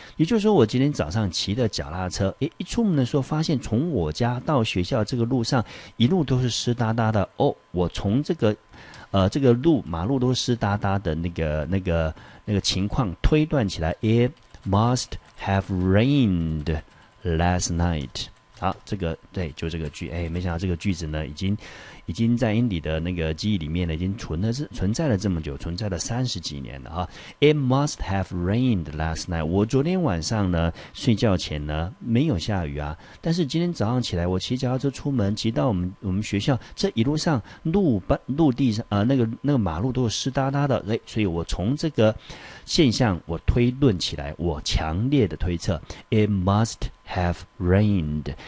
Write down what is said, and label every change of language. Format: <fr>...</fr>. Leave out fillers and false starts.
<zh>也就是说，我今天早上骑的脚踏车，一出门的时候发现从我家到学校这个路上一路都是湿哒哒的哦，我从这个路马路都是湿哒哒的那个情况推断起来 ，</zh> <en>It must have rained last night。</en> <zh>好，这个对，就这个句，哎，没想到这个句子呢，已经在 Andy 的那个记忆里面呢，已经存在了这么久，存在了三十几年了哈。</zh> <en>It must have rained last night。</en> <zh>我昨天晚上呢，睡觉前呢没有下雨啊，但是今天早上起来，我骑脚踏车出门，骑到我们学校，这一路上陆地上那个马路都是湿哒哒的，哎，所以我从这个现象我推论起来，我强烈的推测 ，</zh> <en>It must have rained。</en>